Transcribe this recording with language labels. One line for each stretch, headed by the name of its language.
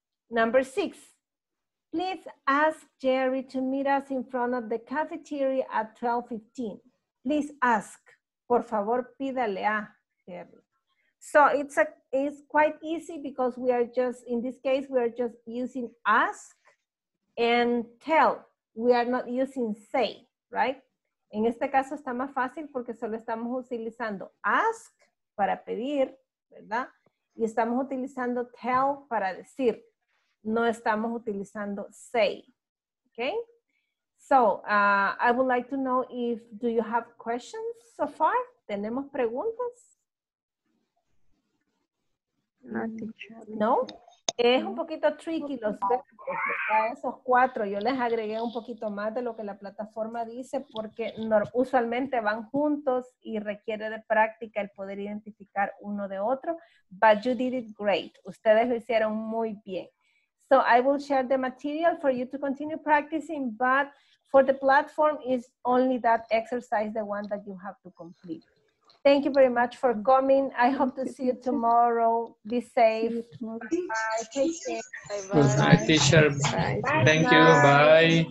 English: Number 6. Please ask Jerry to meet us in front of the cafeteria at 12:15. Please ask.
Spanish: Por favor, pídale a Jerry.
English: So it's quite easy because we are just, in this case, we are just using ask and tell. We are not using say, right?
Spanish: En este caso está más fácil porque solo estamos utilizando ask para pedir, ¿verdad? Y estamos utilizando tell para decir. No estamos utilizando say, okay?
English: So I would like to know if, do you have questions so far?
Spanish: ¿Tenemos preguntas? No. Es un poquito tricky los verbos, ¿verdad? Esos 4, yo les agregué un poquito más de lo que la plataforma dice porque usualmente van juntos y requiere de práctica el poder identificar uno de otro.
English: But you did it great.
Spanish: Ustedes lo hicieron muy bien.
English: So I will share the material for you to continue practicing, but for the platform is only that exercise, the one that you have to complete. Thank you very much for coming. I hope to see you tomorrow. Be safe. Bye. Take care. Bye. Bye, teacher. Bye. Thank you. Bye.